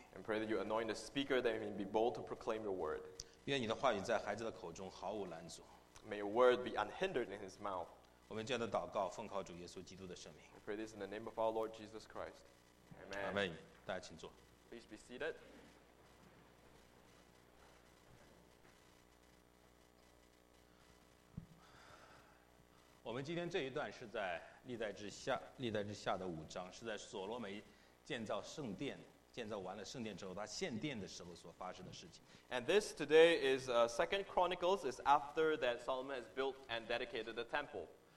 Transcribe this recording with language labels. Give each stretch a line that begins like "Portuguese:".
English: And pray that you anoint the speaker that he may be bold to proclaim your word.
Chinese: 愿你的话语在孩子的口中毫无拦阻。May
English: your word be unhindered in his mouth.
Chinese: 我们这样的祷告，奉靠主耶稣基督的圣名。
English: We pray this in the name of our Lord Jesus Christ. Amen.
Chinese: Amen. 大家请坐。
English: Please be seated. And this today is Second Chronicles, is after that Solomon has built and dedicated the temple.